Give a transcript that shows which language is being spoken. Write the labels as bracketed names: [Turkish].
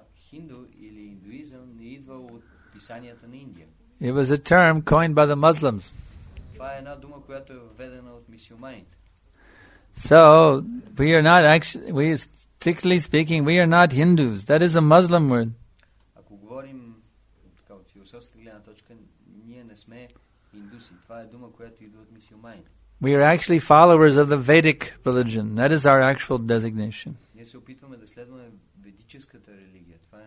[Bulgarian] Hindu или индуизъм не идва от писанията на Индия. [English] It was a term coined by the Muslims. [Bulgarian] Това е една дума, която е введена от мюсюлманите. [English] So, we are not actually, we strictly speaking, we are not Hindus. That is a Muslim word. [Bulgarian] Ако говорим така от философска гледна точка, ние не сме индуси. Това е дума, която идва от мюсюлманите. [English] We are actually followers of the Vedic religion. That is our actual designation. [Bulgarian] Ние се опитваме да следваме ведическата религия.